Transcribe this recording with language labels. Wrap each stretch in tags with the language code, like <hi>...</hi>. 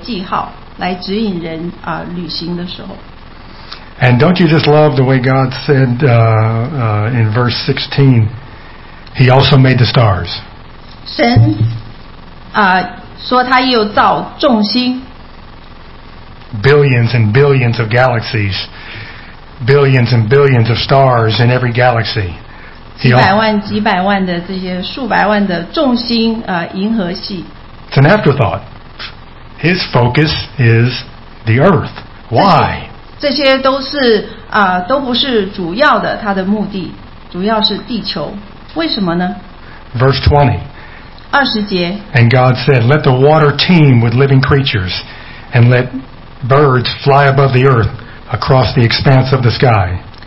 <zh>都是因为这些星球它们准确的运行的关系，所以可以作为记号来指引人 旅行的时候。</zh> <en>And don't you just love the way God said in verse 16, He also made the stars.</en> <zh>神 说他又造众星。</zh> <en>Billions and billions of galaxies, billions and billions of stars in every galaxy.</en> <zh>几百万的这些数百万的众星 银河系。</zh> <en>It's an afterthought. His focus is the earth. Why?</en> <zh>这些都是 都不是主要的他的目的, 主要是地球。为什么呢?</zh> <en>Verse 20.</en> <zh>二十节。</zh> <en>And God said, Let the water teem with living creatures, and let birds fly above the earth across the expanse of the sky.</en>